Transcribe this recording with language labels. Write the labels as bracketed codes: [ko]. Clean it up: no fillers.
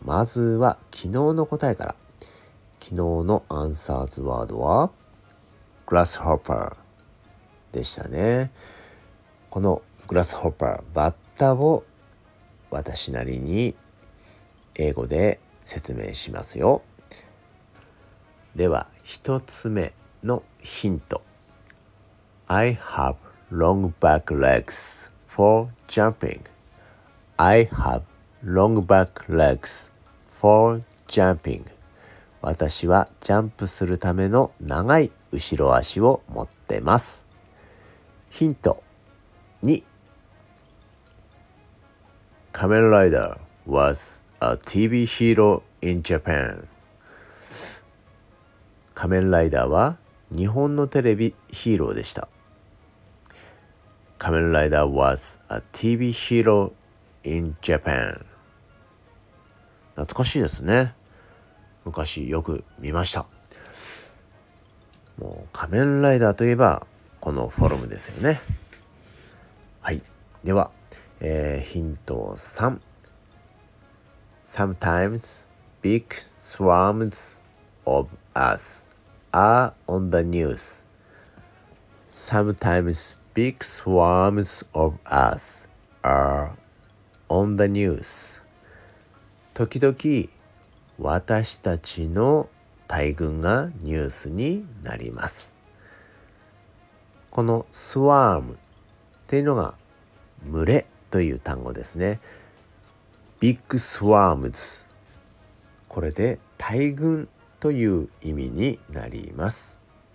[ja] まずは昨日の答えから。昨日のアンサーズワードはグラスホッパーでしたね。このグラスホッパー、バッタを私なりに英語で説明しますよ。では一つ目のヒント、 [en] I have long back legs for jumping. I have long back legs for jumping. [ja] 私はジャンプするための長い後ろ足を持ってます。 [en] ヒント2、仮面ライダー was a TV hero in Japan. [ja] 仮面ライダーは日本のテレビヒーローでした。 [en] 仮面ライダー was a TV hero in Japan. [ja] 懐かしいですね。昔よく見ました。もう仮面ライダーといえばこのフォルムですよね。はい、では、ヒント3。 [en] Sometimes big swarms of us are on the news. Sometimes big swarms of us are on the news. [ja] 時々私たちの大群がニュースになります。このスワームっていうのが群れという単語ですね。ビッグスワームズ、これで大群という意味になります。